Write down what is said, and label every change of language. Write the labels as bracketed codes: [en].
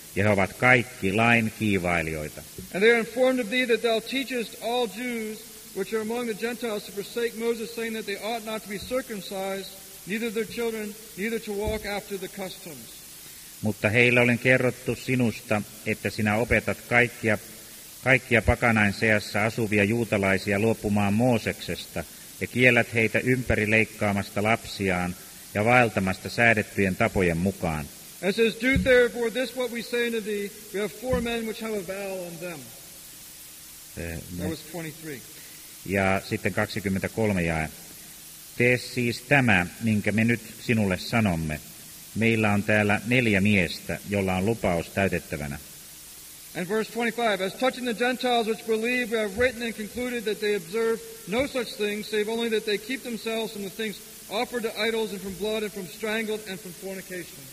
[fi] Ja he ovat kaikki lain kiivailijoita. [en] And they are informed of thee that thou teachest all Jews which are among the Gentiles to forsake Moses, saying that they ought not to be circumcised, neither their children, neither to walk after the customs. [fi] Mutta heille olen kerrottu sinusta, että sinä opetat kaikkia pakanain seassa asuvia juutalaisia luopumaan Mooseksesta ja kiellät heitä ympärileikkaamasta lapsiaan ja vaeltamasta säädettyjen tapojen mukaan. [en] And says, Do therefore this what we say unto thee, we have four men which have a vow on them. That was 23. [fi] Ja sitten 23 jae. Tee siis tämä, minkä me nyt sinulle sanomme. Meillä on täällä 4 miestä, jolla on lupaus täytettävänä. [en] And verse 25, As touching the Gentiles which believe, we have written and concluded that they observe no such things, save only that they keep themselves from the things offered to idols and from blood and from strangled and from fornication.